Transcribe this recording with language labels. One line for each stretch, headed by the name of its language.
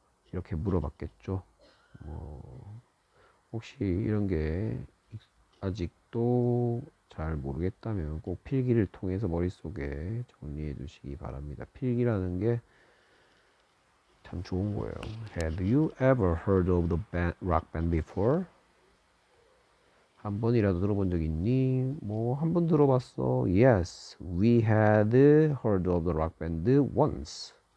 Korean: 이렇게 물어봤겠죠. 뭐 혹시 이런 게 아직도 잘 모르겠다면 꼭 필기를 통해서 머릿속에 정리해 주시기 바랍니다. 필기라는 게참 좋은 거예요.
English: Had you ever heard of the rock band before?
Korean: 한 번이라도 들어본 적 있니? 뭐한번 들어봤어.
English: Yes, we had heard of the rock band once.